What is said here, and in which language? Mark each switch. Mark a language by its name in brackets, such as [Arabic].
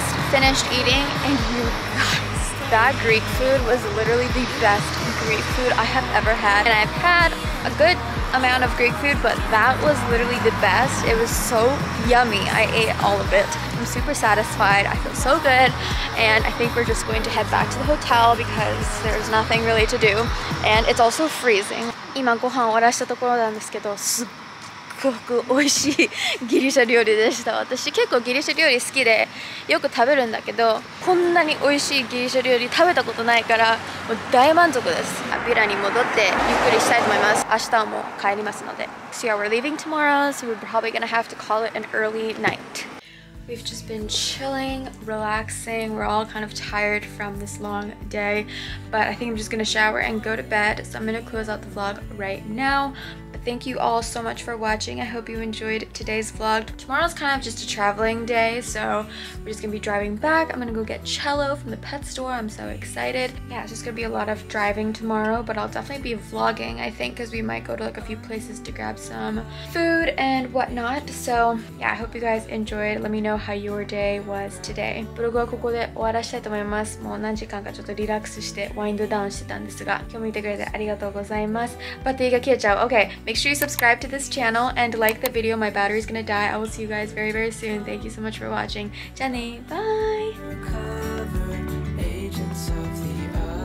[English] finished eating, and you guys, that Greek food was literally the best Greek food I have ever had. And I've had a good amount of Greek food, but that was literally the best. It was so yummy. I ate all of it. I'm super satisfied. I feel so good. And I think we're just going to head back to the hotel because there's nothing really to do. And it's also freezing. [Japanese] 今ご飯を終わらしたところなんですけど、すっごく美味しいギリシャ料理でした。私結構ギリシャ料理好きでよく食べるんだけど、こんなに美味しいギリシャ料理食べたことないからもう大満足です。ヴィラに戻ってゆっくりしたいと思います。明日も帰りますので。 [English] So yeah, we're leaving tomorrow, so we're probably gonna have to call it an early night. We've just been chilling, relaxing. We're all kind of tired from this long day, but I think I'm just gonna shower and go to bed. So I'm gonna close out the vlog right now. But thank you all so much for watching. I hope you enjoyed today's vlog. Tomorrow's kind of just a traveling day, so we're just gonna be driving back. I'm gonna go get cello from the pet store. I'm so excited. Yeah, it's just gonna be a lot of driving tomorrow, but I'll definitely be vlogging, I think, because we might go to like a few places to grab some food and whatnot. So yeah, I hope you guys enjoyed. Let me know how your day was today. [Japanese] ブログはここで終わらしたいと思います。もう何時間かちょっとリラックスしてワインドダウンしてたんですが、今日見てくれてありがとうございます。バッテリーが消えちゃう。 [English] OK。 Make sure you subscribe to this channel and like the video. My battery is gonna die. I will see you guys very, very soon. Thank you so much for watching. [Japanese] じゃあね、バイ!